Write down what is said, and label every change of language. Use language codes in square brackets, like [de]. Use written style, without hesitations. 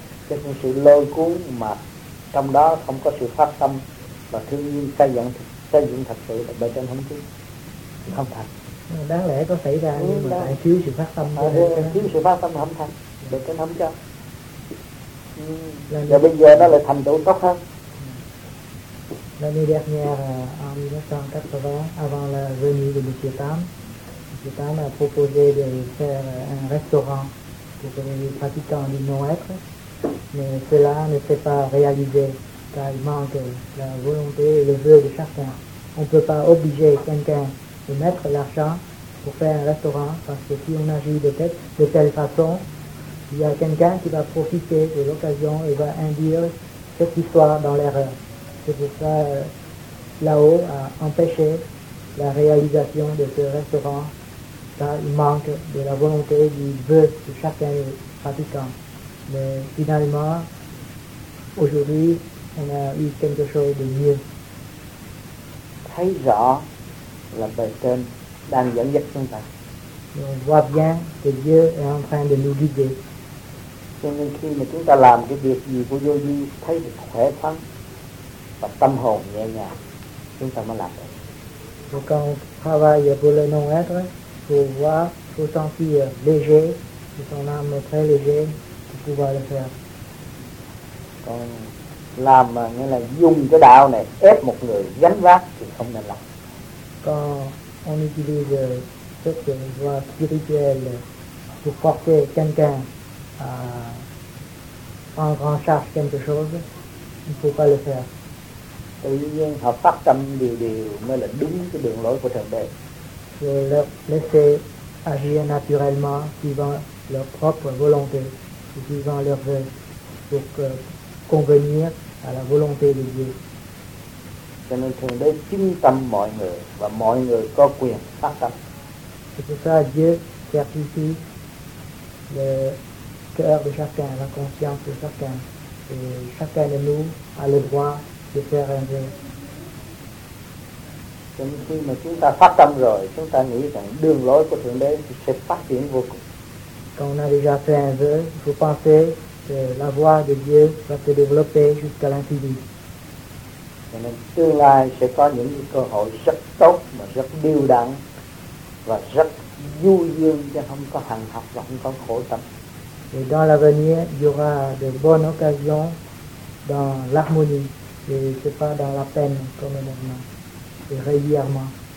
[vi] Cho nên sự lôi cuốn mà trong đó không có sự phát tâm và thương nhiên xây dựng thật sự là bên trên không chứ. Không thành. Đáng lẽ có xảy ra nhưng mà lại thiếu sự phát tâm. Thiếu sự phát tâm là không thành. Bên trên không cho. Và bây giờ nó lại thành tựu tốt hơn. [fr] L'année dernière, en 1980, avant la venue de Monsieur Tam a proposé de faire un restaurant pour les pratiquants du non-être, mais cela ne s'est pas réalisé, car il manque la volonté et le vœu de chacun. On ne peut pas obliger quelqu'un de mettre l'argent pour faire un restaurant, parce que si on agit de telle façon, il y a quelqu'un qui va profiter de l'occasion et va induire cette histoire dans l'erreur. C'est pour ça là-haut a empêché la réalisation de ce restaurant, car il manque de la volonté du vœu de chacun des pratiquants. Mais finalement, aujourd'hui, on a eu quelque chose de mieux. [vi] Thấy rõ là bề trên đang dẫn dắt chúng ta. [fr] On voit bien que Dieu est en train de nous guider. [vi] Cho nên khi mà chúng ta làm cái việc gì của vô vi thấy được khỏe thắng, và tâm hồn nhẹ nhàng, chúng ta mới làm được. [fr] Nous quand on travaille pour le non-être, pour voir, pour sentir léger, que son âme est très léger, pour pouvoir le faire. [vi] Còn làm nghĩa là dùng cái đạo này ép một người gánh vác thì không nên làm. [fr] Quand on utilise cette voie spirituelle pour porter quelqu'un en grand charge quelque chose, il ne faut pas le faire. [vi] Tự nhiên họ phát tâm điều điều mới là đúng cái đường lối của Thượng Đế. [fr] Je leur laisser agir naturellement, suivant leur propre volonté, suivant leur vœu, pour convenir à la volonté de Dieu. [vi] Cho nên Thượng Đế chính tâm mọi người, và mọi người có quyền phát tâm. [fr] C'est pour ça Dieu certifie le cœur de chacun, la conscience de chacun, et chacun de nous a le droit de faire un vœu. [vi] Nhưng khi mà chúng ta phát tâm rồi, chúng ta nghĩ rằng đường lối của Thượng Đế sẽ phát triển vô cùng. [fr] Quand on a déjà fait un vœu, il faut penser que la voie de Dieu va se développer jusqu'à l'infini. [vi] Nên tương lai sẽ có những cơ hội rất tốt mà rất điều đặn và rất vui dương, chứ không có hằn học và không có khổ tâm. [fr] Et dans l'avenir, il y aura de bonnes occasions dans l'harmonie, et c'est pas dans la peine comme maintenant. Et régulièrement.